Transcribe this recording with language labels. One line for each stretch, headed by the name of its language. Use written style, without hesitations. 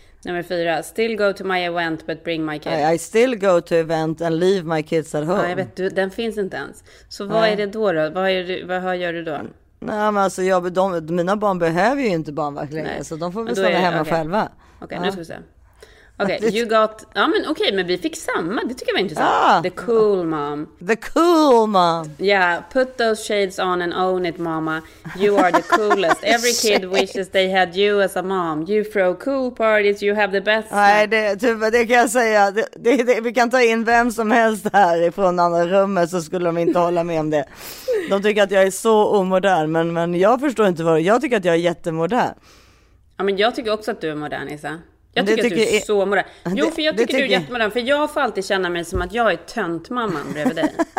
Swedish: Nummer 4,
English: still go to my event but bring my kid. I still go to event and leave my kids at home.
Swedish: Ja, jag vet, du, den finns inte ens. Så vad är det då då? Vad gör du då? Nej, men alltså mina barn behöver ju inte barnvakt längre. Så de får väl stanna hemma själva. Okej, nu ska vi se. Okej, men vi fick samma. Det tycker jag var intressant.
English: Ah, the cool mom. The cool mom. Yeah, put those shades on and own it, mama. You are the coolest. Every kid wishes they had you as a mom. You throw cool parties, you have the best.
Swedish: Nej, det kan jag säga. Vi kan ta in vem som helst här ifrån andra rummet så skulle de inte hålla med om det. De tycker att jag är så omodern, men jag förstår inte vad. Jag tycker att jag är jättemodern. Ja, men jag tycker också att du är modern, Issa. Jag tycker att du är så modern. Jo, för jag tycker du är jättemodern. För jag får alltid känna mig som att jag är töntmamman bredvid dig.